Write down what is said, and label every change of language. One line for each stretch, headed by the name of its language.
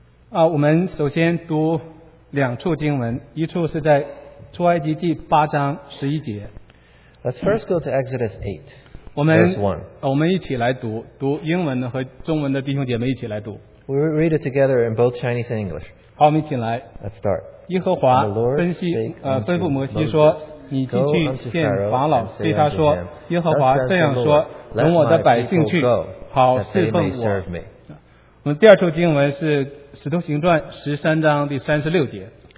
Chinese: 我们首先读两处经文，一处是在出埃及记八章十一节。
English: Let's first go to Exodus 8.
Chinese: 我们
English: verse 1.
Chinese: 我们一起来读，读英文和中文的弟兄姐妹一起来读。
English: We read it together in both Chinese and English.
Chinese: 好，我们一起来。
English: Let's start.
Chinese: 耶和华分析吩咐摩西说，你进去见法老，对他说，耶和华这样说，容我的百姓去。好侍奉我。我们第二处经文是《使徒行传》十三章第三十六节。